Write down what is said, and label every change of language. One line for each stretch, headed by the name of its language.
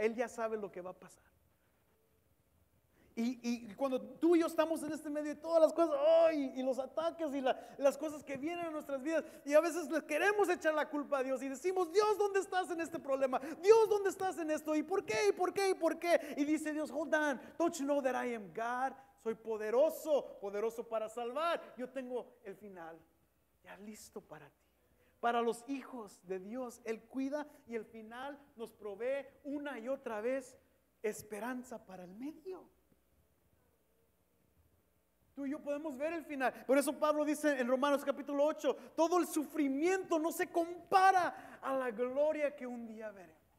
Spanish: Él ya sabe lo que va a pasar. Y cuando tú y yo estamos en este medio y todas las cosas, y los ataques y las cosas que vienen a nuestras vidas, y a veces le queremos echar la culpa a Dios y decimos, Dios, ¿dónde estás en este problema? Dios, ¿dónde estás en esto? ¿Y por qué? ¿Y por qué? ¿Y por qué? Y dice Dios,
English: hold on, don't you know that I am God?
Spanish: Soy poderoso, poderoso para salvar. Yo tengo el final ya listo para ti. Para los hijos de Dios, Él cuida y el final nos provee una y otra vez esperanza para el medio. Tú y yo podemos ver el final. Por eso Pablo dice en Romanos capítulo 8, todo el sufrimiento no se compara a la gloria que un día veremos.